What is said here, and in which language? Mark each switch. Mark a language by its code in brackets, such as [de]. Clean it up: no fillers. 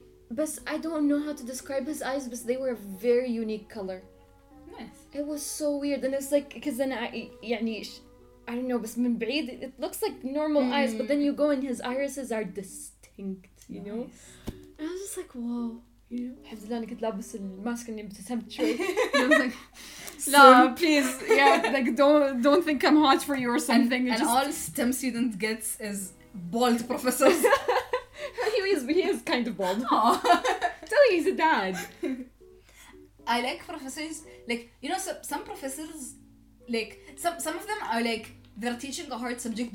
[en] But I don't know how to describe his eyes, but they were a very unique color. Nice. It was so weird, and it's like, because then I don't know, but [ar] من بعيد, [en] it looks like normal eyes, but then you go and his irises are distinct, you know? And I was just like, whoa, you know? [ar] الحمد لله أنا كنت لابس الماسك اللي ابتسمت شوي. [en] No, please, yeah, like don't think I'm hot for you or something. And just... all STEM student gets is bald professors. He is kind of bald. Tell me, he's a dad. I like professors, like, you know, some professors, like, some of them are like, they're teaching a hard subject.